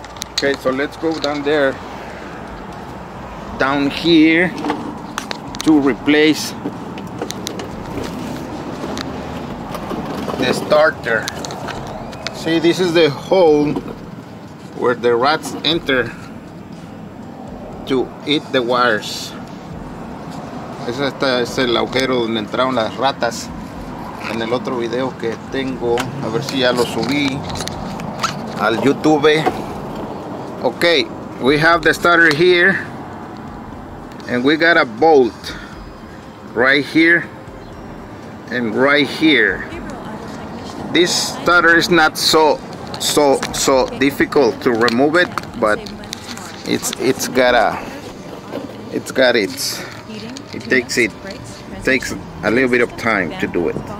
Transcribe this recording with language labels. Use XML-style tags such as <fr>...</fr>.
<en>Okay, so let's go down there, down here, to replace the starter. See, this is the hole where the rats enter to eat the wires.</en> <es>Este es el agujero donde entraron las ratas en el otro video que tengo. A ver si ya lo subí al YouTube.</es> <en>Okay, we have the starter here, and we got a bolt right here and right here. This starter is not so difficult to remove it, but it takes a little bit of time to do it.</en>